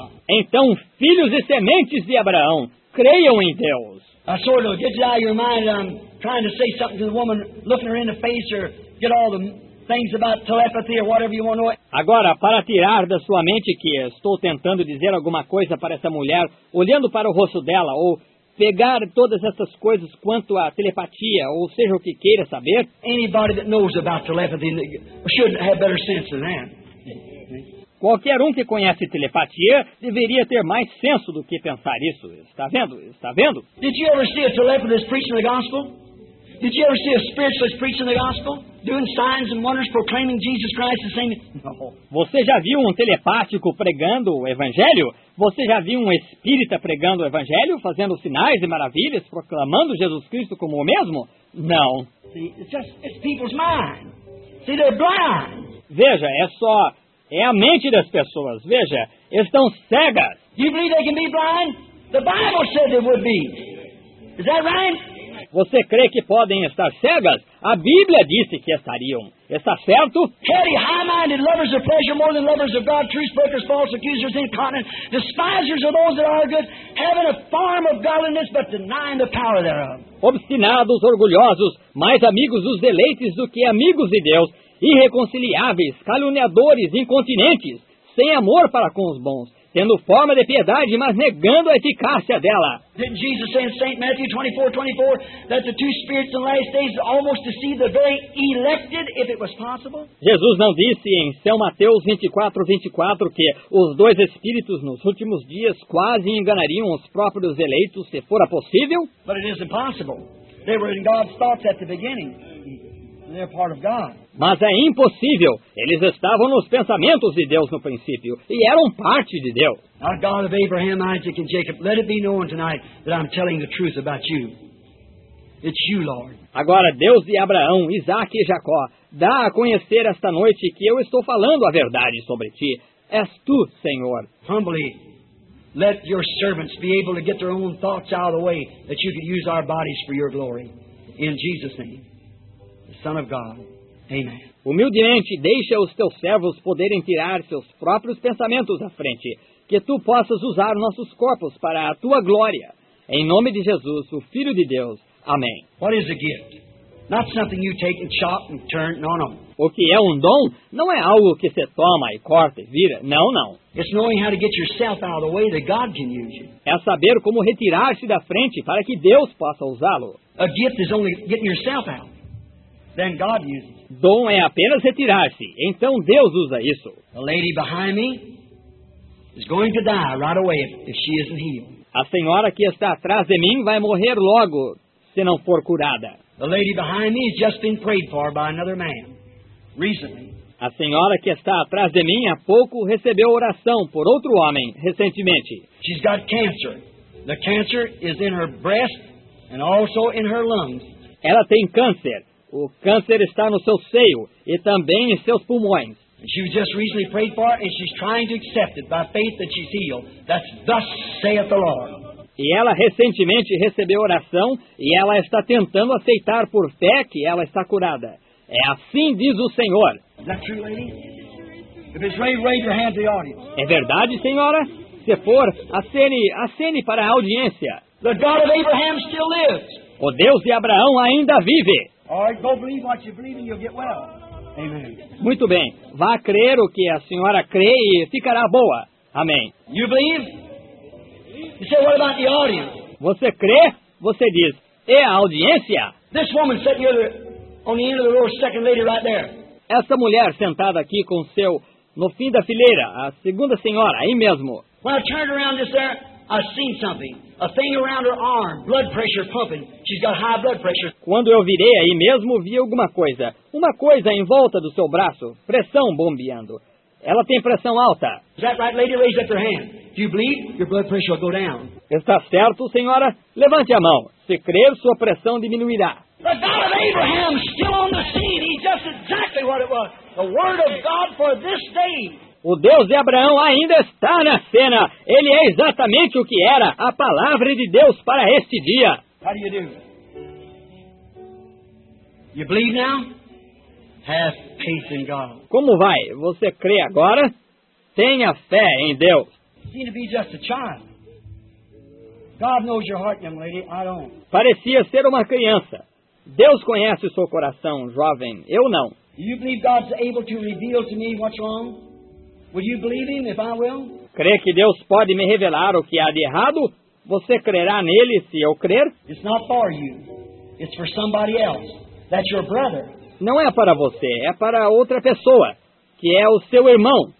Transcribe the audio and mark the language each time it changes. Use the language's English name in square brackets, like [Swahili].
[Portuguese] Então, filhos e sementes de Abraão, creiam em Deus. [English] I sort of get it out of your mind. I'm trying to say something to the woman, looking her in the face, or get all the things about telepathy or whatever you want to. [Portuguese] Agora, para tirar da sua mente que estou tentando dizer alguma coisa para essa mulher, olhando para o rosto dela, ou pegar todas essas coisas quanto à telepatia, ou seja o que queira saber. [English] Anybody that knows about telepathy should have better sense than that. [Portuguese] Qualquer um que conhece telepatia deveria ter mais senso do que pensar isso. Está vendo? Está vendo? [English] Did you ever see a telepathist preaching the gospel? Did you ever see a spiritualist preaching the gospel? Doing signs and wonders proclaiming Jesus Christ the same? No. [Portuguese] Você já viu um telepático pregando o evangelho? Você já viu um espírita pregando o evangelho, fazendo sinais e maravilhas, proclamando Jesus Cristo como o mesmo? Não. [English] It's people's mind. See, they're blind. [Portuguese] Veja, é só... É a mente das pessoas. Veja, estão cegas. [English] You believe they can be blind? The Bible said they would be. Is that right? [Portuguese] Você crê que podem estar cegas? A Bíblia disse que estariam. Está certo? [English] Petty, high-minded, lovers of pleasure more than lovers of God, truth-breakers, false accusers, incontinent, despisers of those that are good, having a form of godliness, but denying the power thereof. [Portuguese] Obstinados, orgulhosos, mais amigos dos deleites do que amigos de Deus, irreconciliáveis, caluniadores, incontinentes, sem amor para com os bons, tendo forma de piedade, mas negando a eficácia dela. [English] Didn't Jesus say in St. Matthew 24:24 that the two spirits in the last days almost deceive the very elected, if it was possible? [Portuguese] Jesus não disse em São Mateus 24:24 que os dois espíritos nos últimos dias quase enganariam os próprios eleitos, se fora possível? [English] But it is impossible. They were in God's thoughts at the beginning. They're part of God. [Portuguese] Mas é impossível. Eles estavam nos pensamentos de Deus no princípio e eram parte de Deus. [English] Our God of Abraham, Isaac, and Jacob, let it be known tonight that I'm telling the truth about you. It's you, Lord. [Portuguese] Agora, Deus de Abraão, Isaac e Jacó, dá a conhecer esta noite que eu estou falando a verdade sobre ti. És tu, Senhor. [English] Humbly, let your servants be able to get their own thoughts out of the way that you can use our bodies for your glory. In Jesus' name. Son of God. Amen. [Portuguese] Humildemente, deixa os teus servos poderem tirar seus próprios pensamentos à frente, que tu possas usar nossos corpos para a tua glória. Em nome de Jesus, o Filho de Deus. Amém. [English] What is a gift? Not something you take and chop and turn. No, no. [Portuguese] O que é um dom não é algo que você toma e corta e vira. Não, não. [English] It's knowing how to get yourself out of the way that God can use you. [Portuguese] É saber como retirar-se da frente para que Deus possa usá-lo. [English] A gift is only getting yourself out. Then God uses. [Portuguese] Dom é apenas retirar-se. Então Deus usa isso. [English] A lady behind me is going to die right away if she isn't healed. [Portuguese] A senhora que está atrás de mim vai morrer logo se não for curada. [English] The lady behind me has just been prayed for by another man recently. [Portuguese] A senhora que está atrás de mim há pouco recebeu oração por outro homem recentemente. [English] She's got cancer. The cancer is in her breast and also in her lungs. [Portuguese] Ela tem câncer. O câncer está no seu seio e também em seus pulmões. [English] She was just recently prayed for and she's trying to accept it by faith that she's healed. That's thus saith the Lord. [Portuguese] E ela recentemente recebeu oração e ela está tentando aceitar por fé que ela está curada. É assim diz o Senhor. [English] Is that true, lady? If it's right, raise your hand to the audience. [Portuguese] É verdade, senhora? você for, acene para a audiência. [English] The God of Abraham still lives. [Portuguese] O Deus de Abraão ainda vive. Muito bem. Vá crer o que a senhora crê e ficará boa. Amém. [English] You believe? You say, what about the audience? [Portuguese] Você crê? Você diz, é a audiência? [English] This woman sitting here on the end of the row, second lady right there. [Portuguese] Essa mulher sentada aqui com seu no fim da fileira, a segunda senhora, aí mesmo. [English] When I turned around just there, I seen something. A thing around her arm, blood pressure pumping. She's got high blood pressure. [Portuguese] Quando eu virei aí mesmo, vi alguma coisa. Uma coisa em volta do seu braço, pressão bombeando. Ela tem pressão alta. [English] Is that right, lady? Raise up your hand. Do you believe? Your blood pressure will go down. [Portuguese] Está certo, senhora? Levante a mão. Se crer, sua pressão diminuirá. [English] The God of Abraham still on the scene. He's just exactly what it was. The word of God for this day. [Portuguese] O Deus de Abraão ainda está na cena. Ele é exatamente o que era, a palavra de Deus para este dia. [English] How do you do? You believe now? Have faith in God. [Portuguese] Como vai? Você crê agora? Tenha fé em Deus. [English] Seem to be just a child. God knows your heart, young lady. I don't. [Portuguese] Parecia ser uma criança. Deus conhece o seu coração, jovem. Eu não. [English] You believe God's able to reveal to me what's wrong? Will you believe him if I will? [Portuguese] Crê que Deus pode me revelar o que há de errado? Você crerá nele se eu crer? [English] It's not for you. It's for somebody else. That's your brother. [Portuguese] Não é para você, é para outra pessoa, que é o seu irmão.